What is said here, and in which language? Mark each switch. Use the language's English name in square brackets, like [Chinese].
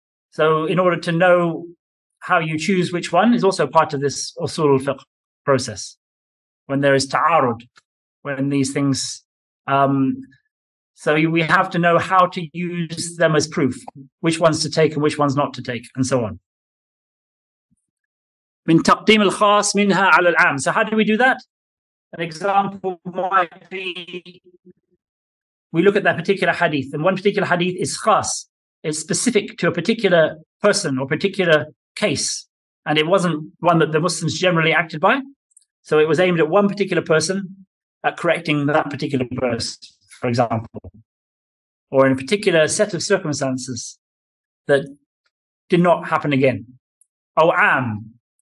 [English] So in order to know how you choose which one is also part of this usul al-fiqh process, when there is ta'arud, when these things... So we have to know how to use them as proof, which ones to take and which ones not to take, and so on. [Arabic] من تقديم الخاص منها على العام. [English] So how do we do that? An example might be, we look at that particular hadith, and one particular hadith is khas. It's specific to a particular person or particular case, and it wasn't one that the Muslims generally acted by. So it was aimed at one particular person, at correcting that particular verse, for example, or in a particular set of circumstances that did not happen again. Aw'am.